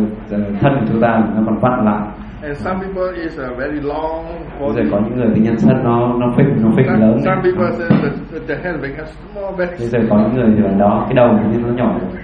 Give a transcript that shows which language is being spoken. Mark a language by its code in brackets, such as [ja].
[vi] Thân của chúng ta nó còn vặn lại. [en] And some people is a very long body. [vi] Bây giờ có những người thì nhân thân nó phình lớn. [en] Some people say the head becomes small. [vi] Bây giờ có những người thì là đó, cái đầu như nó nhỏ.